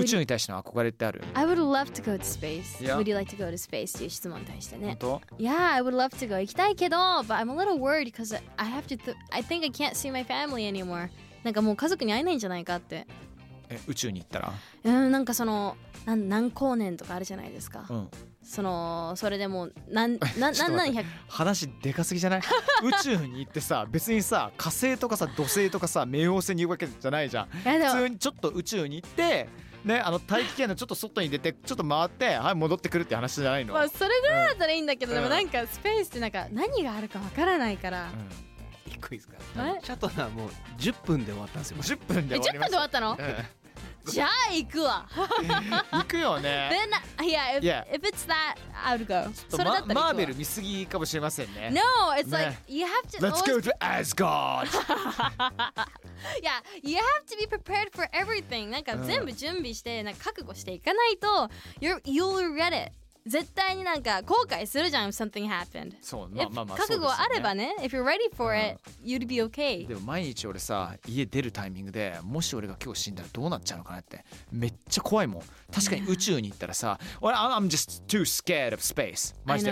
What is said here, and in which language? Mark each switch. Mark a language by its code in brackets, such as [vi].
[ja] 宇宙に対しての憧れってある？ [en] I would love to go to space. Yeah. Would you like to go to space? [ja] という質問に対してね。本当？ [en] Yeah, I would love to go. [ja] 行きたいけど、 [en] but I'm a little worried because I have to. I think I can't see my family anymore. [ja] なんかもう家族に会えないんじゃないかって。え、宇宙に行ったら？なんかその何光年とかあるじゃないですか。うん。それでも何百話でかすぎじゃない？宇宙に行ってさ、別にさ火星とかさ土星とかさ冥王星に行くわけじゃないじゃん。普通にちょっと宇宙に行って、ね、大気圏のちょっと外に出てちょっと回ってはい戻ってくるって話じゃないの？まあ、それぐらいだったらいいんだけど、でもなんかスペースってなんか何があるかわからないから、びっくりですか？シャトナーもう10分で終わったんですよ。 10分で終わりました。 10分で終わったの？じゃあ行くわ。行くよね。 [en] Then yeah, if it's that, I would go. [ja] それだったらマーベル見すぎかもしれませんね。 [en] No, it's like you have to. Let's go to Asgard. Yeah, you have to be prepared for everything. [ja] なんか全部準備して、なんか覚悟していかないと、 [en] you'll regret it. [ja] 絶対になんか後悔するじゃん。 [en] Something happened. [ja] そう、まあ、そうですよね。覚悟あればね。 [en] If you're ready for it, you'd be okay. [ja] でも毎日俺さ、家出るタイミングで、もし俺が今日死んだらどうなっちゃうのかなって、めっちゃ怖いもん。確かに宇宙に行ったらさ、俺、 [en] I'm just too scared of space. [ja] マジで、